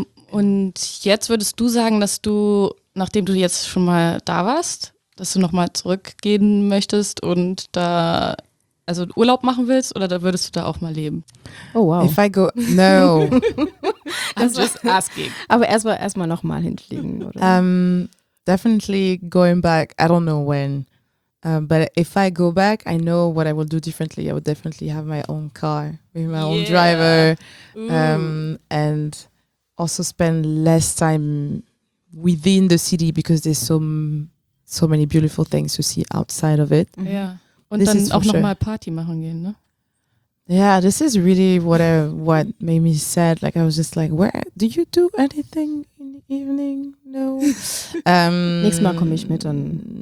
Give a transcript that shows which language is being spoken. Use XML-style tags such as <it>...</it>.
<de>Und jetzt würdest du sagen, dass du, nachdem du jetzt schon mal da warst, dass du nochmal zurückgehen möchtest und da, also Urlaub machen willst, oder da würdest du da auch mal leben?</de> <en>Oh wow. If I go, no. I'm just asking.</en> <de>Aber erstmal nochmal hinfliegen, oder?</de> <en>Definitely going back, I don't know when. But if I go back, I know what I will do differently. I would definitely have my own car with my own driver. And also spend less time within the city, because there's so many beautiful things to see outside of it. Yeah.</en> <de>Und this dann auch nochmal Party machen gehen, ne?</de> <en>Yeah, this is really what made me sad. Like, I was just like, where do you do anything in the evening? No.</en> <de>Nächstes Mal komme ich mit dann.</de>